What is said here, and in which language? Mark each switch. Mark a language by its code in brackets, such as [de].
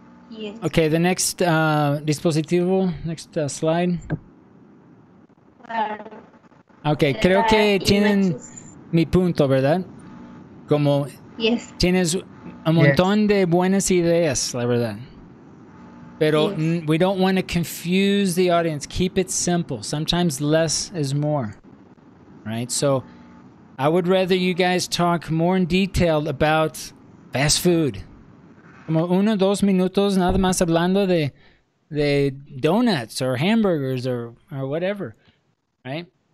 [en] Yes. Okay, the next dispositivo, next slide. [es] Okay, creo que tienen mi punto, ¿verdad? Como [en] yes. [es] Tienes un montón de buenas ideas, la verdad. [en] Pero we don't want to confuse the audience. Keep it simple. Sometimes less is more, right? So I would rather you guys talk more in detail about fast food. [es] Como uno, dos minutos nada más hablando de donuts [en] or hamburgers or whatever, right?